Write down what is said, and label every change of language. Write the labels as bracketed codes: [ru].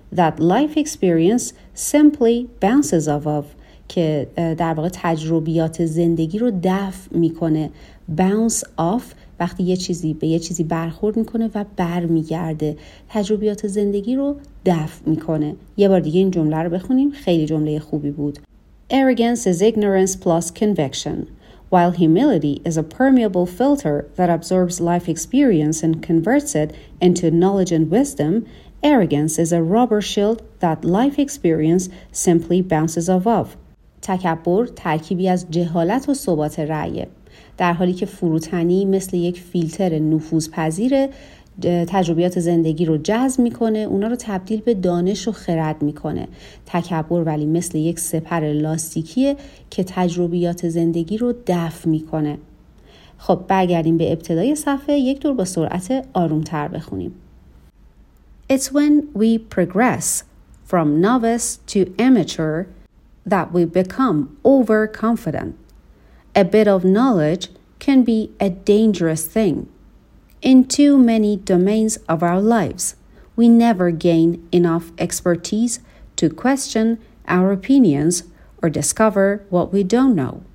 [en] That life experience simply bounces off of [fa] که در واقع تجربیات زندگی رو دفع میکنه. Bounce off وقتی یه چیزی به یه چیزی برخورد میکنه و بر میگرده، تجربیات زندگی رو دفع میکنه. یه بار دیگه این جمله رو بخونیم، خیلی جمله خوبی بود. [en] Arrogance is ignorance plus conviction. While humility is a permeable filter that absorbs life experience and converts it into knowledge and wisdom, arrogance is a rubber shield that life experience simply bounces off of. [fa] تکبر ترکیبی از جهالت و ثبات رأیه. در حالی که فروتنی مثل یک فیلتر نفوذپذیر تجربیات زندگی رو جذب میکنه، اونا رو تبدیل به دانش و خرد میکنه. تکبر ولی مثل یک سپر لاستیکیه که تجربیات زندگی رو دفع میکنه. خب برگردیم به ابتدای صفحه، یک دور با سرعت آرومتر بخونیم. [en] It's when we progress from novice to amateur that we become overconfident. A bit of knowledge can be a dangerous thing. In too many domains of our lives, we never gain enough expertise to question our opinions or discover what we don't know.